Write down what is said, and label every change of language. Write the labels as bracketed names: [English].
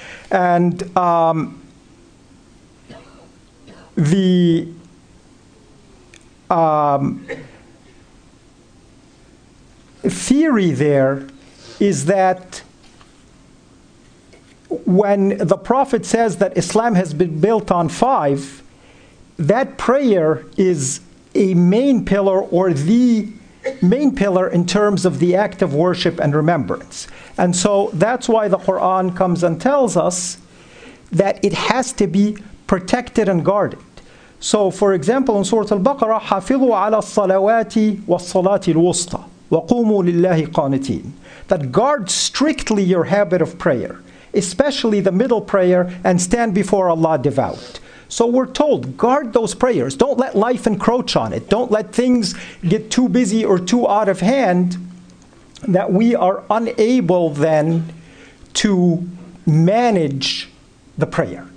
[English] And the theory there is that when the Prophet says that Islam has been built on five, that prayer is a main pillar, or the main pillar in terms of the act of worship and remembrance. And so that's why the Quran comes and tells us that it has to be protected and guarded. So for example, in Surah Al-Baqarah, [Arabic] حَفِظُوا عَلَى الصَّلَوَاتِ وَالصَّلَاتِ الْوُسْطَى وَقُومُوا لِلَّهِ قَانِتِينَ. [English] That guard strictly your habit of prayer, especially the middle prayer, and stand before Allah devout. So we're told, guard those prayers. Don't let life encroach on it. Don't let things get too busy or too out of hand that we are unable then to manage the prayer.